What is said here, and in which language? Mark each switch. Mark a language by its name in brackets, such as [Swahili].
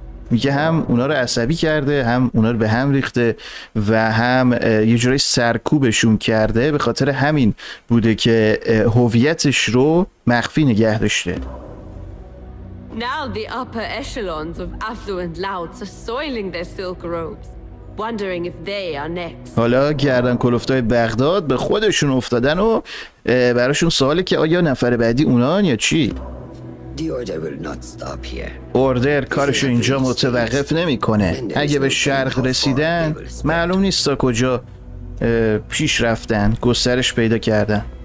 [Persian] میگه هم اونا رو عصبی کرده، هم اونا رو به هم ریخته و هم یه جوری سرکوبشون کرده. به خاطر همین بوده که هویتش رو مخفی نگه داشته. [English] Now the upper echelons of affluent louts are soiling their silk robes, wondering if they are next. [Persian] حالا گردن کلفتای بغداد به خودشون افتادن و براشون سواله که آیا نفر بعدی اونان یا چی؟ [English] The order will not stop here. [Persian] Order کارشو اینجا متوقف نمیکنه. اگه به شرق رسیدن معلوم نیست تا کجا پیش رفتن، گسترش پیدا کردن.